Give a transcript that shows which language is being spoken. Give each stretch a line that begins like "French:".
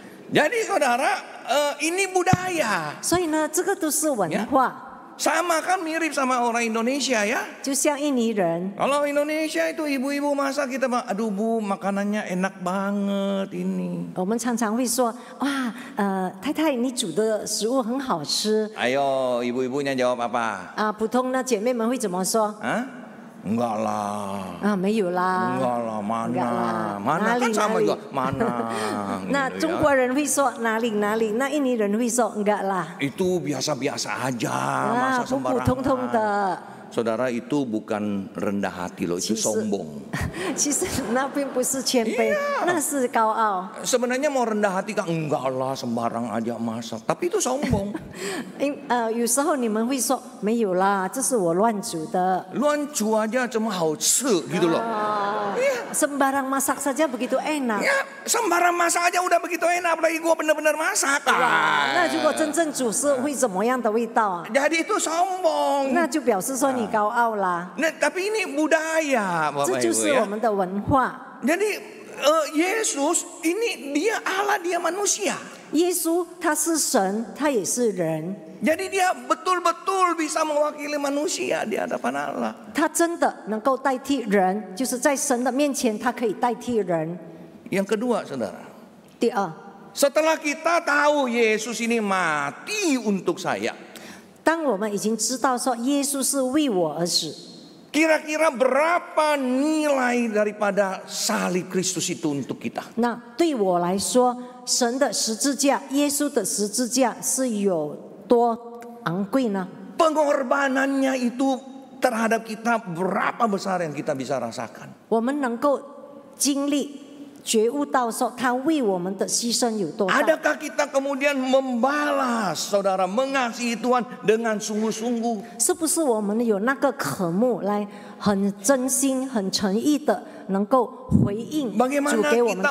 Indonesian: Jadi saudara, ini budaya. Jadi, nah,
Chinese: 这个都是文化。
Indonesian: Sama kan, mirip sama orang Indonesia ya.
Chinese: 就像印尼人.
Indonesian: Kalau Indonesia itu ibu-ibu masak, kita bilang, aduh bu, makanannya enak banget ini.
Chinese: 我们常常会说, 哇，太太，你煮的食物很好吃.
Indonesian: Ayo, ibu-ibunya jawab apa?
Chinese: 普通的姐妹们会怎么说?
Indonesian: Enggak lah.
Chinese: 没有啦。
Indonesian: Enggak lah, mana? Mana kan sama juga, mana?
Chinese: 那中国人会说, nali. 那印尼人会说,
Indonesian: enggak lah. Itu biasa-biasa aja, masa sembarangan.
Chinese: 普通通的。
Indonesian: Saudara, itu bukan rendah hati loh, itu sombong.
Chinese: 其实那并不是谦卑, 那是高傲.
Indonesian: Sebenarnya mau rendah hati kan, enggak lah, sembarang aja masak, tapi itu sombong.
Chinese: 有时候你们会说, 没有啦, 这是我乱煮的. 乱煮
Indonesian: aja cuma
Chinese: 好吃,
Indonesian: gitu loh. Sembarang masak saja begitu enak. Ya, sembarang masak aja udah begitu enak, apalagi gue benar-benar masak.
Chinese: 那如果真正煮是会怎么样的味道?
Indonesian: Jadi itu sombong.
Chinese: 那就表示说, 你高傲啦。
Indonesian: Nah, tapi ini budaya, Bapak Ibu,
Chinese: 这就是我们的文化。
Indonesian: Jadi, Yesus ini dia Allah, dia manusia.
Chinese: 耶稣他是神, 他也是人。
Indonesian: Jadi dia betul-betul bisa mewakili manusia di hadapan Allah.
Chinese: 他真的能够代替人, 就是在神的面前他可以代替人。
Indonesian: Yang kedua, saudara.
Chinese: 第二,
Indonesian: setelah kita tahu Yesus ini mati untuk saya,
Chinese: 当我们已经知道说耶稣是为我而死，
Indonesian: kira-kira berapa nilai daripada salib Kristus itu untuk kita?
Chinese: Nah, 对我来说, 神的十字架, 耶稣的十字架是有多昂贵呢？
Indonesian: Pengorbanannya itu terhadap kita berapa besar yang kita bisa rasakan?
Chinese: 我们能够经历觉悟到说他为我们的牺牲有多大。
Indonesian: Adakah kita kemudian membalas saudara mengasihi Tuhan dengan sungguh-sungguh?
Chinese: 是不是我们有那个渴慕来很真心很诚意的能够回应主给我们的爱呢？